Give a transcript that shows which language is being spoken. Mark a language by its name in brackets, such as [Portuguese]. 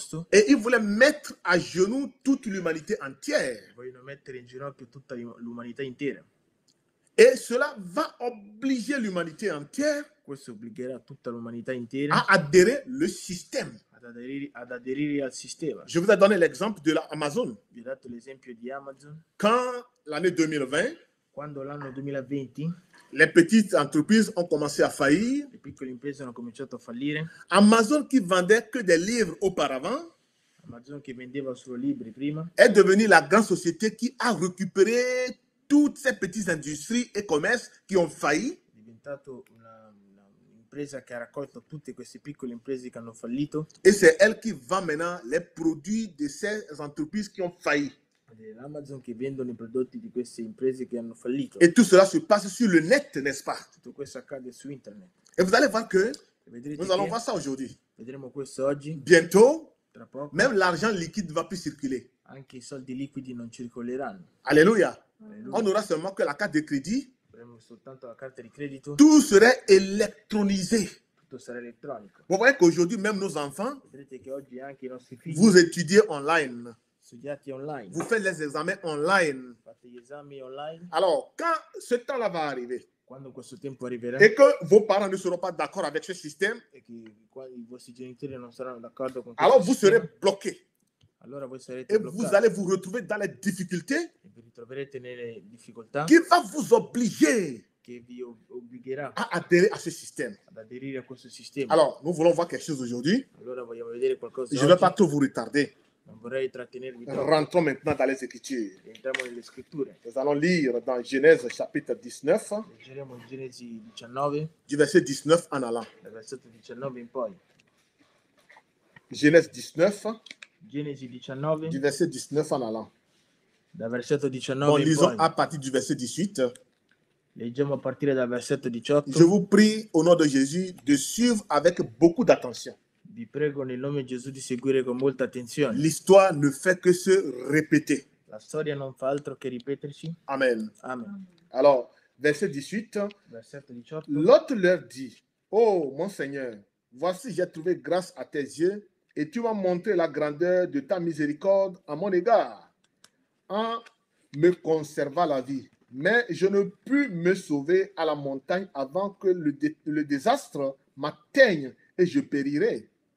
[French] Et ils voulaient mettre à genoux toute l'humanité entière. [Italian] Vogliono mettere in ginocchio tutta l'umanità intera. [French] Et cela va obliger l'humanité entière. [Italian] Questo obbligherà tutta l'umanità intera. [French] À adhérer le système. [Italian] Ad aderire al sistema. [French] Je vous ai donné l'exemple de l'Amazon. [Italian] Vi ho dato l'esempio di Amazon. [French] Quand l'année 2020. [Italian] Quando l'anno 2020. [French] Les petites entreprises ont commencé à faillir. [Italian] Le piccole imprese hanno cominciato a fallire. [French] Amazon qui vendait que des livres auparavant. [Italian] Amazon che vendeva solo libri prima. [French] Est devenue la grande société qui a récupéré toutes ces petites industries et commerces qui ont failli. [Italian] È diventato una impresa che raccolta tutte queste piccole imprese che hanno fallito. [French] E c'è elle qui vend maintenant les produits de ces entreprises qui ont failli. [Italian] L'Amazon che vendono i prodotti di queste imprese che hanno fallito. E tutto [French] cela se passe sur le net, n'est-ce pas? [Italian] Tutto questo accade su internet. [French] E vous allez voir que nous allons voir ça aujourd'hui. [Italian] Vedremo questo oggi. [French] Bientôt, [Italian] tra poco, [French] même l'argent liquide ne va plus circuler. [Italian] Anche i soldi liquidi non circoleranno. [French] Alléluia. On aura seulement que la carte de crédit. [Italian] Soltanto la carta di credito. [French] Tout serait électronisé. [Italian] Tutto sarà elettronico. [French] Vous voyez qu'aujourd'hui, même nos enfants, [Italian] vedrete che oggi anche i nostri figli, [French] vous étudiez online. [Italian] Studiate online. [French] Vous faites les examens online. [Italian] Fate gli esami online. [French] Alors, quand ce temps-là va arriver, [Italian] quando questo tempo arriverà, [French] et que vos parents ne seront pas d'accord avec ce système, [Italian] e che i vostri genitori non saranno d'accordo con, [French] alors vous serez bloqué. [Italian] Allora voi sarete bloccati. [French] E vous allez vous retrouver dans les difficultés. [Italian] E vi ritroverete nelle difficoltà. [French] Qui va vous obliger? [Italian] Che vi obbligherà [French] a adhérer à ce système. [Italian] Ad aderire a questo sistema. [French] Alors, nous voulons voir quelque chose aujourd'hui. [Italian] Allora vogliamo vedere qualcosa. [French] Je ne vais pas trop vous retarder. [Italian] Non vorrei trattenervi troppo. [French] Rentrons maintenant dans les Écritures. [Italian] Entriamo nelle Scritture. [French] Nous allons lire dans Genèse chapitre 19. [Italian] Leggeremo in Genesi 19. [French] Du verset 19 en allant. [Italian] Dal versetto 19 in poi. [French] Genèse 19. Genèse 19, du verset 19 en allant. [Italian] Dal versetto 19 [French] bon, lisons à partir du verset 18. [Italian] Leggiamo a partire dal versetto 18. [French] Je vous prie au nom de Jésus de suivre avec beaucoup d'attention. [Italian] Vi prego nel nome di Gesù di seguire con molta attenzione. [French] L'histoire ne fait que se répéter. [Italian] La storia non fa altro che ripetersi. [French] Amen. [Italian] Amen. [French] Alors, verset 18. [Italian] Versetto 18. [French] L'autre leur dit: Oh mon Seigneur, voici j'ai trouvé grâce à tes yeux. Et tu m'as montré la grandeur de ta miséricorde à mon égard, en me conservant la vie. Mais je ne pus me sauver à la montagne avant que le désastre m'atteigne et je périrai.